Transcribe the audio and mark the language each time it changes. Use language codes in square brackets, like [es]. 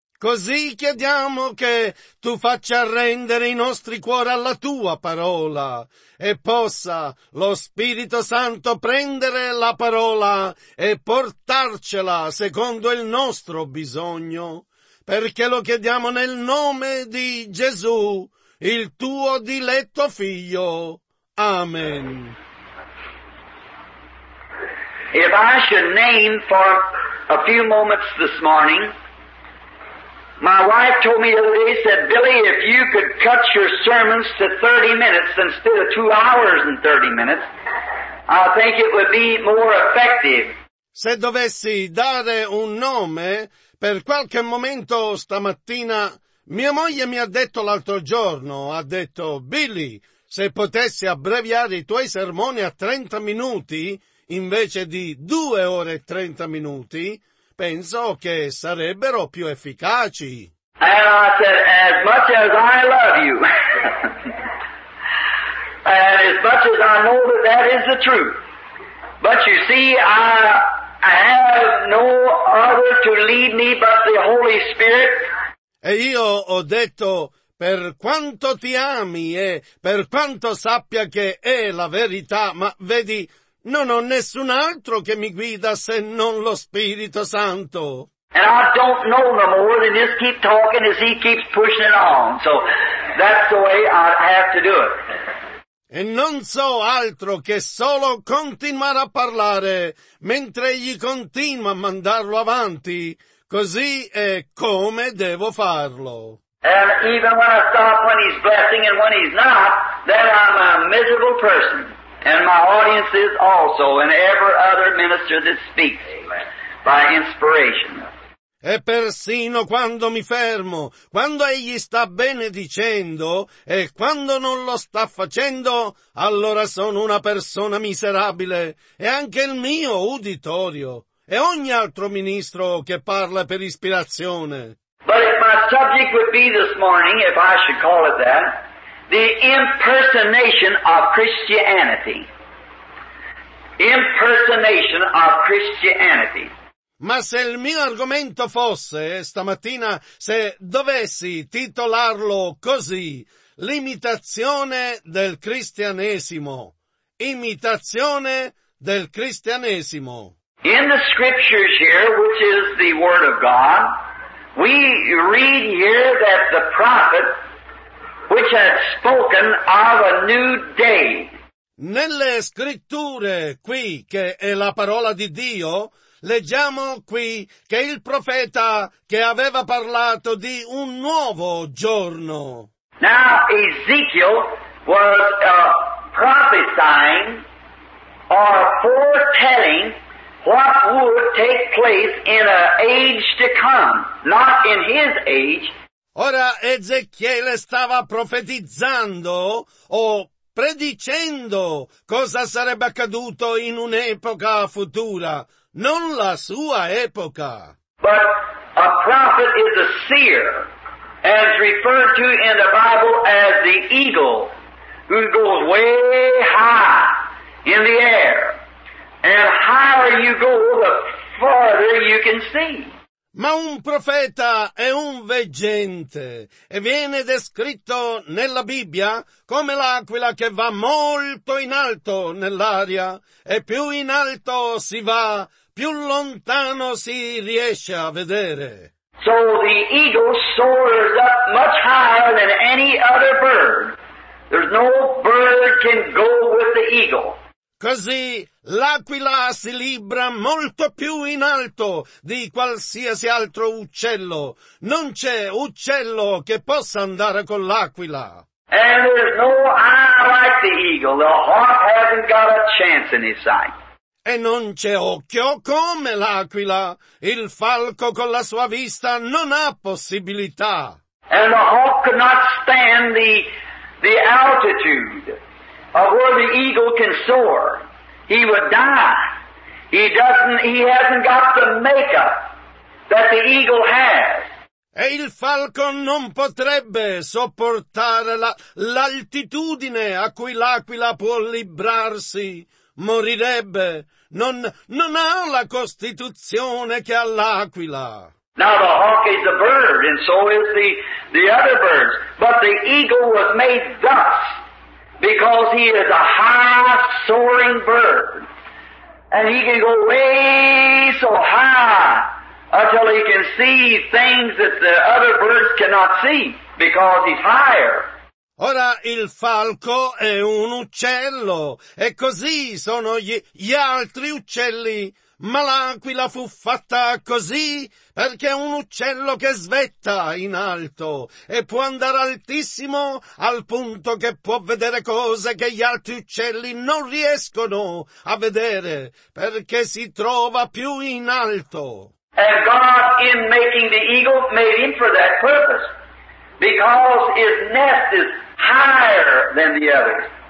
[it] Così chiediamo che tu faccia rendere i nostri cuori alla tua parola e possa lo Spirito Santo prendere la parola e portarcela secondo il nostro bisogno, perché lo chiediamo nel nome di Gesù, il tuo diletto figlio. Amen. [en] If I should name for a few moments this morning, my wife told me the other day, said, Billy, if you could cut your sermons to 30 minutes instead of 2 hours and 30 minutes, I think it would be more effective. [it] Se dovessi dare un nome, per qualche momento stamattina, mia moglie mi ha detto l'altro giorno, ha detto, Billy, se potessi abbreviare i tuoi sermoni a 30 minuti invece di 2 ore e 30 minuti, penso che sarebbero più efficaci. [en] And I said, as much as I love you, and as much as I know that that is the truth, but you see, I have no other to lead me but the Holy Spirit. [it] E io ho detto, per quanto ti ami e per quanto sappia che è la verità, ma vedi, non ho nessun altro che mi guida se non lo Spirito Santo. [en] And I don't know no more than just keep talking as he keeps pushing it on. So that's the way I have to do it. [it] E non so altro che solo continuare a parlare mentre egli continua a mandarlo avanti. Così è come devo farlo. [en] And even when I stop when he's blessing and when he's not, then I'm a miserable person. And my audience is also, and every other minister that speaks, by inspiration. [it] E persino quando mi fermo, quando egli sta benedicendo, e quando non lo sta facendo, allora sono una persona miserabile, e anche il mio uditorio, e ogni altro ministro che parla per ispirazione. [en] But if my subject would be this morning, if I should call it that, the impersonation of Christianity. Impersonation of Christianity. [it] Ma se il mio argomento fosse, stamattina, se dovessi titolarlo così, l'imitazione del cristianesimo. Imitazione del cristianesimo. [en] In the scriptures here, which is the word of God, we read here that the prophet which had spoken of a new day. [it] Nelle scritture qui, che è la parola di Dio, leggiamo qui che il profeta che aveva parlato di un nuovo giorno. [en] Now Ezekiel was prophesying or foretelling what would take place in an age to come, not in his age. [it] Ora Ezechiele stava profetizzando o predicendo cosa sarebbe accaduto in un'epoca futura, non la sua epoca. [en] But a prophet is a seer, as referred to in the Bible as the eagle, who goes way high in the air, and higher you go, the farther you can see. [it] Ma un profeta è un veggente e viene descritto nella Bibbia come l'aquila che va molto in alto nell'aria e più in alto si va, più lontano si riesce a vedere. [en] So the eagle soars up much higher than any other bird. There's no bird can go with the eagle. [it] Così l'aquila si libra molto più in alto di qualsiasi altro uccello. Non c'è uccello che possa andare con l'aquila. [en] And there's no eye like the eagle. The hawk hasn't got a chance in his sight. [it] E non c'è occhio come l'aquila. Il falco con la sua vista non ha possibilità. [en] And the hawk could not stand the altitude of where the eagle can soar. He would die. He hasn't got the makeup that the eagle has. [it] E il falco non potrebbe sopportare l'altitudine a cui l'aquila può librarsi. Morirebbe. Non ha la costituzione che ha l'aquila. [en] Now the hawk is a bird, and so is the other birds. But the eagle was made thus because he is a high soaring bird. And he can go way so high until he can see things that the other birds cannot see because he's higher. [it] Ora il falco è un uccello, e così sono gli altri uccelli. Ma l'aquila fu fatta così perché è un uccello che svetta in alto e può andare altissimo al punto che può vedere cose che gli altri uccelli non riescono a vedere perché si trova più in alto. [en] And God, in making the eagle, made him for that purpose, because his nest is higher than the others.